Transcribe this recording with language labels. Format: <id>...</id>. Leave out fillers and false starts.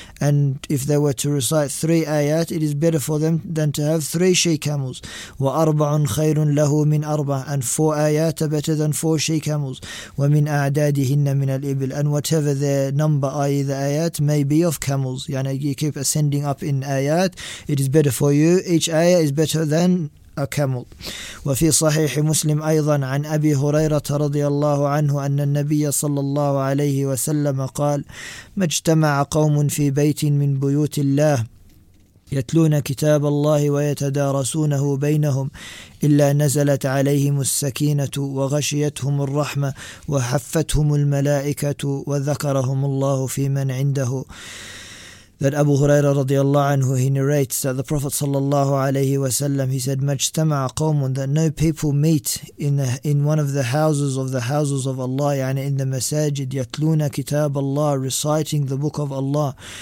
<en>And if they were to recite three آيات, it is better for them than to have three she camels.</en> <ar>وأربع خير له من أربع.</ar> <en>And four آيات are better than four she camels.</en> <ar>ومن أعدادهن من الإبل.</ar> <en>And whatever their number, i.e. the آيات, may be of camels. يعني you keep ascending up in آيات, it is better for you. Each آيات is better than a camel.</en> <ar>وفي صحيح مسلم أيضا عن أبي هريرة رضي الله عنه أن النبي صلى الله عليه وسلم قال ما اجتمع قوم في بيت من بيوت الله يتلون كتاب الله ويتدارسونه بينهم إلا نزلت عليهم السكينة وغشيتهم الرحمة وحفتهم الملائكة وذكرهم الله في من عنده.</ar> <en>That Abu Huraira radiallahu anhu, he narrates that the Prophet sallallahu alayhi wa sallam, he said,</en> <ar>majtama'a qawmun,</ar> <en>that no people meet in one of the houses of the houses of Allah, yani in the masajid,</en> <ar>yatluna kitab Allah,</ar> <en>reciting the book of Allah,</en>